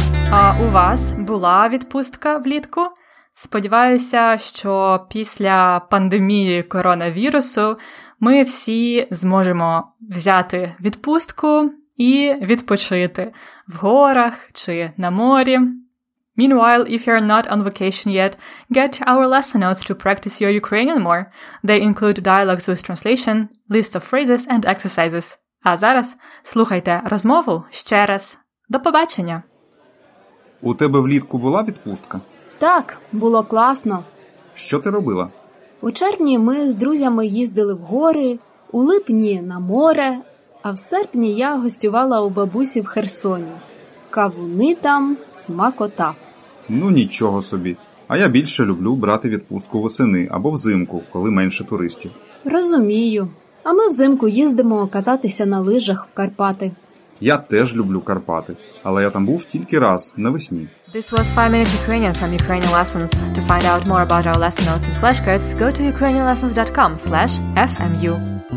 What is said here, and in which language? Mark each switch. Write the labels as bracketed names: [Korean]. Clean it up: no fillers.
[Ukrainian] А у вас була відпустка влітку? Сподіваюся, що після пандемії коронавірусу ми всі зможемо взяти відпустку і відпочити в горах чи на морі. [English] Meanwhile, if you're not on vacation yet, get our lesson notes to practice your Ukrainian more. They include dialogues with translation, list of phrases and exercises. [Ukrainian] А зараз слухайте розмову ще раз. До побачення! У тебе влітку була відпустка? Так, було класно. Що ти робила? У червні ми з друзями їздили в гори, у липні – на море, а в серпні я гостювала у бабусі в Херсоні. Кавуни там, смакота. Ну, нічого собі. А я більше люблю брати відпустку восени або взимку, коли менше туристів. Розумію. А ми взимку їздимо кататися на лижах в Карпати. Я теж люблю Карпати, але я там був тільки раз, навесні. [English] This was 5-Minute Ukrainian from Ukrainian Lessons. To find out more about our lesson notes and flashcards, go to ukrainianlessons.com/fmu.